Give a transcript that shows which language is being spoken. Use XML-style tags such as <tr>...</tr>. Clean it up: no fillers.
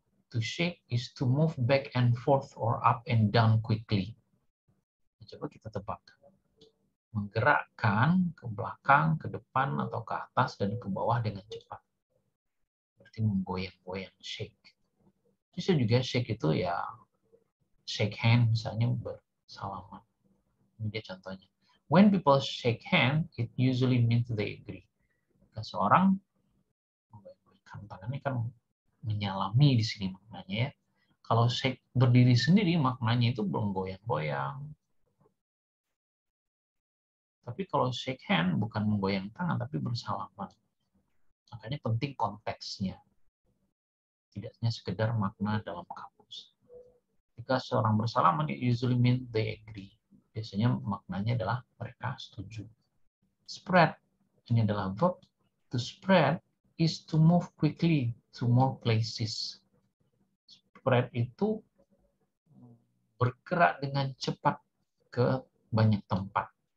<en>To shake is to move back and forth or up and down quickly.</en> <id>Coba kita tebak. Menggerakkan ke belakang, ke depan, atau ke atas, dan ke bawah dengan cepat. Berarti menggoyang-goyang, shake. Bisa juga shake itu ya, shake hand misalnya bersalaman. Ini dia contohnya.</id> <en>When people shake hand, it usually means they agree.</en> <id>Dan seorang menggoyang-goyangkan tangannya kan menyalami di sini maknanya ya. Kalau shake berdiri sendiri maknanya itu belum goyang-goyang. Tapi kalau shake hand bukan menggoyang tangan tapi bersalaman. Makanya penting konteksnya. Tidak hanya sekedar makna dalam kamus. Jika seorang bersalaman</id> <en>it usually means they agree.</en> <id>Biasanya maknanya adalah mereka setuju. Spread ini adalah verb.</id> <en>To spread is to move quickly to more places.</en> <id>Spread itu bergerak dengan cepat ke banyak tempat.</id>